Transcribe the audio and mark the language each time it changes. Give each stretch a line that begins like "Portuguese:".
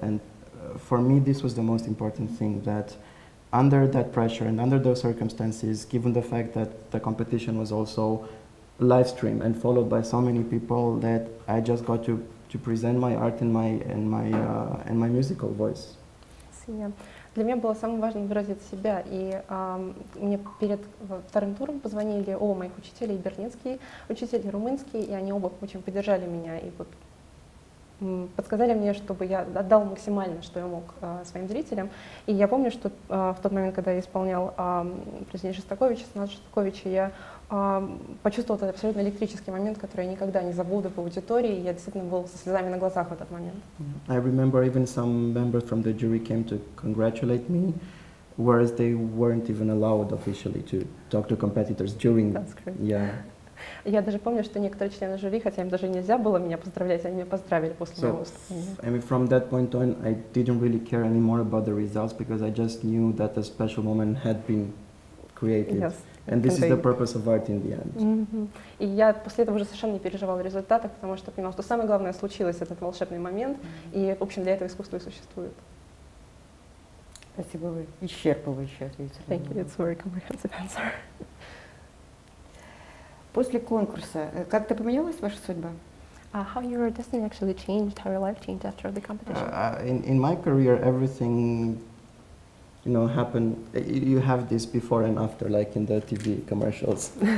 English: And for me, this was the most important thing, that under that pressure and under those circumstances, given the fact that the competition was also live stream and followed by so many people, that I just got to present my art and my musical voice. Синя.
Russian: Для меня было самым важным выразить себя, и мне перед вторым туром позвонили оба моих учителей, берлинский учитель и румынский, и они оба очень поддержали меня и вот подсказали мне, чтобы я отдал максимально, что я мог своим зрителям. И я помню, что в тот момент, когда я исполнял произведение Шостаковича, я почувствовала этот абсолютно электрический момент, который я никогда не забуду в аудитории. Я действительно был со слезами на глазах в этот момент.
English: I remember even some members from the jury came to congratulate me, whereas they weren't even allowed officially to talk to competitors during. That's great. Yeah.
Russian: Я даже помню, что некоторые члены жюри, хотя им даже нельзя было меня поздравлять, они меня поздравили после моего выступления.
English: I mean, from that point on, I didn't really care anymore about the results, because I just knew that a special moment had been created. Yes. And this is the purpose of art in the end.
Russian: И я после этого уже совершенно не переживала результатов, потому что понимала, что самое главное случилось, этот волшебный момент, и, в общем, для этого искусство и существует. Спасибо, вы исчерпывающе ответили.
English: Thank you, it's a very comprehensive answer.
Russian: После конкурса как-то поменялась ваша судьба?
English: How your destiny actually changed, how your life changed after the competition? In my career, everything, you know, happened. You have this before and after, like in the TV commercials.